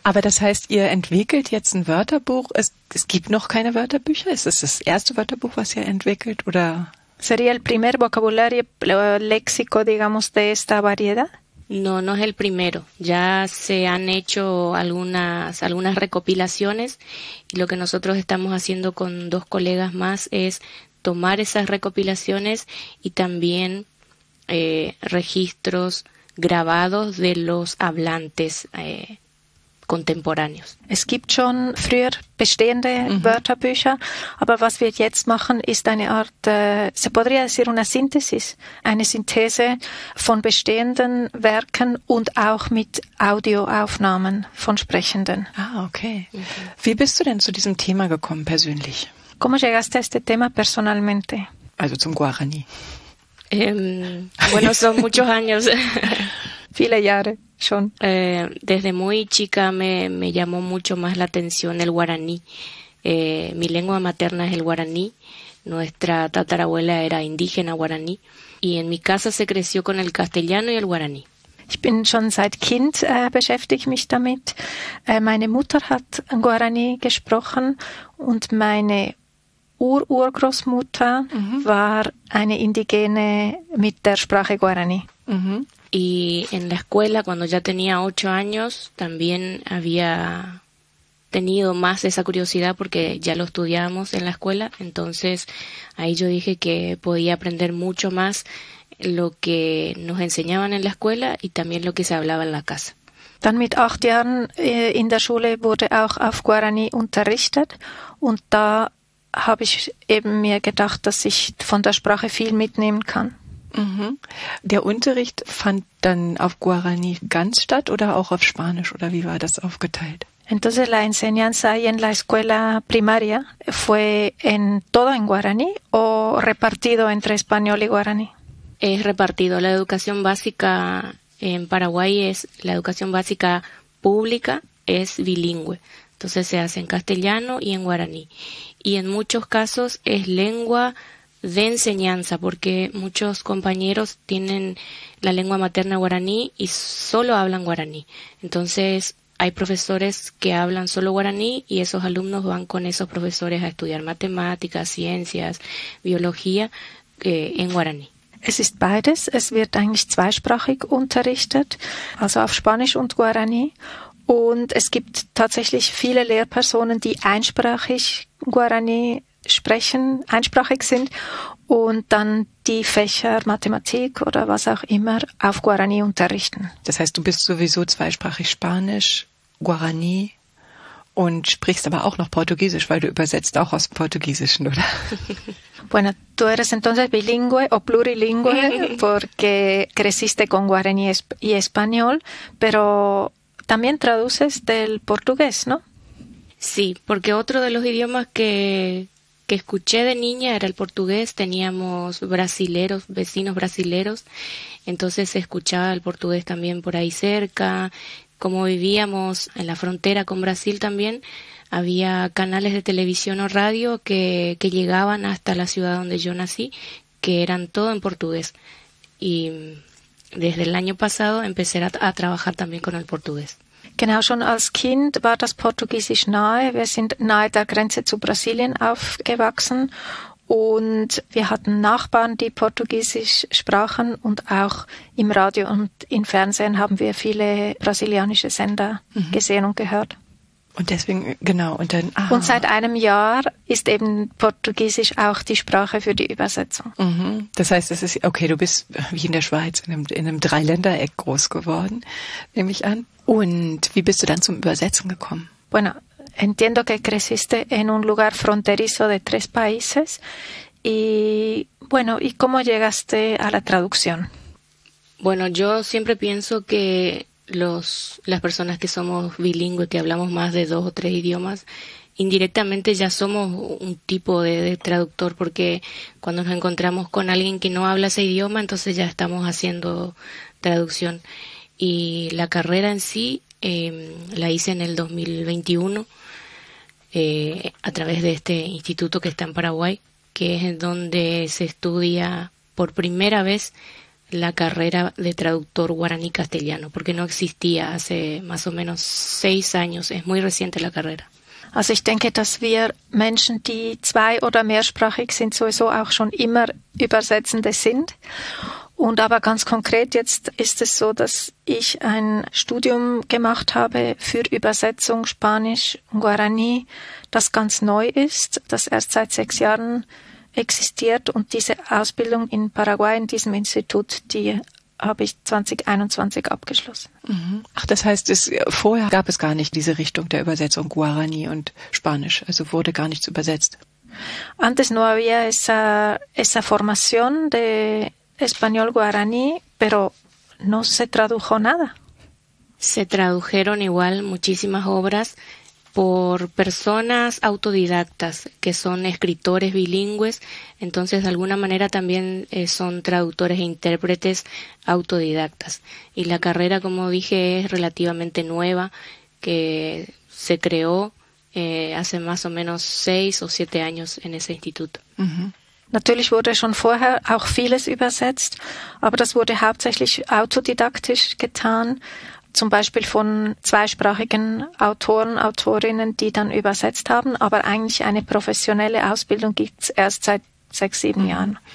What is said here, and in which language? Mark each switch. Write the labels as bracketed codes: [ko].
[de] Aber das heißt, ihr entwickelt jetzt ein Wörterbuch. Es gibt noch keine Wörterbücher? Ist es das erste Wörterbuch, was ihr entwickelt? Oder? [es] ¿Sería el primer vocabulario léxico, digamos, de esta variedad? No, no es el primero. Ya se han hecho algunas recopilaciones y lo que nosotros estamos haciendo con dos colegas más es tomar esas recopilaciones y también registros grabados de los hablantes contemporáneos. [de] Es gibt schon früher bestehende Wörterbücher, aber was wir jetzt machen, ist eine Art, [es] se podría decir una síntesis, [de] eine Synthese von bestehenden Werken und auch mit Audioaufnahmen von Sprechenden. Ah, okay. Wie bist du denn zu diesem Thema gekommen, persönlich? [es] ¿Cómo llegaste a este tema personalmente? [de] Also zum Guarani. [es] Bueno, son muchos años. [de] Viele Jahre schon. [es] Desde muy chica me llamó mucho más la atención el guaraní. Mi lengua materna es el guaraní. Nuestra tatarabuela era indígena guaraní. Y en mi casa se creció con el castellano y el guaraní. [de] Ich bin schon seit Kind beschäftige mich damit. Meine Mutter hat Guarani gesprochen und meine Ur-Urgroßmutter war eine Indigene mit der Sprache Guarani. [es] Y en la escuela, cuando ya tenía 8 años, también había tenido más esa curiosidad porque ya lo estudiábamos en la escuela. Entonces, ahí yo dije que podía aprender mucho más lo que nos enseñaban en la escuela y también lo que se hablaba en la casa. [de] Dann mit 8 Jahren in der Schule wurde auch auf Guarani unterrichtet und da habe ich eben mir gedacht, dass ich von der Sprache viel mitnehmen kann. Der Unterricht fand dann auf Guarani ganz statt oder auch auf Spanisch oder wie war das aufgeteilt? [es] Entonces la enseñanza ahí en la escuela primaria fue en todo en Guarani o repartido entre español y Guarani? Es repartido. La educación básica en Paraguay es la educación básica pública es bilingüe. Entonces se hace en castellano y en guaraní. Y en muchos casos es lengua de enseñanza, porque muchos compañeros tienen la lengua materna guaraní y solo hablan guaraní. Entonces hay profesores que hablan solo guaraní y esos alumnos van con esos profesores a estudiar matemáticas, ciencias, biología en guaraní. [de] Es ist beides. Es wird eigentlich zweisprachig unterrichtet, also auf Spanisch und Guarani. Und es gibt tatsächlich viele Lehrpersonen, die einsprachig Guarani sprechen, einsprachig sind und dann die Fächer Mathematik oder was auch immer auf Guarani unterrichten. Das heißt, du bist sowieso zweisprachig Spanisch, Guarani und sprichst aber auch noch Portugiesisch, weil du übersetzt auch aus Portugiesischen, oder? [es] Bueno, tú eres entonces bilingüe o plurilingüe porque creciste con guaraní y español, pero también traduces del portugués, ¿no? Sí, porque otro de los idiomas que escuché de niña era el portugués. Teníamos brasileros, vecinos brasileros, entonces escuchaba el portugués también por ahí cerca. Como vivíamos en la frontera con Brasil también, había canales de televisión o radio que llegaban hasta la ciudad donde yo nací, que eran todo en portugués. Y desde el año pasado empecé a trabajar también con el portugués. [de] Genau, schon als Kind war das Portugiesisch nahe. Wir sind nahe der Grenze zu Brasilien aufgewachsen und wir hatten Nachbarn, die Portugiesisch sprachen und auch im Radio und im Fernsehen haben wir viele brasilianische Sender gesehen und gehört. Und deswegen, genau, und dann. Aha. Und seit einem Jahr ist eben Portugiesisch auch die Sprache für die Übersetzung. Das heißt, es ist, okay, du bist wie in der Schweiz in einem Dreiländereck groß geworden, nehme ich an. Und wie bist du dann zum Übersetzen gekommen? [es] Bueno, entiendo que creciste en un lugar fronterizo de 3 países. Y bueno, ¿y cómo llegaste a la traducción? Bueno, yo siempre pienso que las personas que somos bilingües, que hablamos más de 2 o 3 idiomas, indirectamente ya somos un tipo de traductor, porque cuando nos encontramos con alguien que no habla ese idioma, entonces ya estamos haciendo traducción. Y la carrera en sí la hice en el 2021 a través de este instituto que está en Paraguay, que es donde se estudia por primera vez la carrera de traductor guaraní castellano, porque no existía hace más o menos 6 años, es muy reciente la carrera. [de] Also ich denke, dass wir Menschen, die 2 oder mehrsprachig sind, sowieso auch schon immer Übersetzende sind. Und aber ganz konkret jetzt ist es so, dass ich ein Studium gemacht habe für Übersetzung Spanisch und Guarani, das ganz neu ist, das erst seit 6 Jahren existiert. Und diese Ausbildung in Paraguay in diesem Institut, die habe ich 2021 abgeschlossen. Ach, das heißt, vorher gab es gar nicht diese Richtung der Übersetzung Guarani und Spanisch, also wurde gar nichts übersetzt. [es] Antes no había esa formación de español guaraní, pero no se tradujo nada. Se tradujeron igual muchísimas obras por personas autodidactas que son escritores bilingües, entonces de alguna manera también son traductores e intérpretes autodidactas. Y la carrera, como dije, es relativamente nueva, que se creó hace más o menos 6 o 7 años en ese instituto. [de] Natürlich wurde schon vorher auch vieles übersetzt, aber das wurde hauptsächlich autodidaktisch getan, zum Beispiel von zweisprachigen Autoren, Autorinnen, die dann übersetzt haben. Aber eigentlich eine professionelle Ausbildung gibt es erst seit 6, 7 Jahren.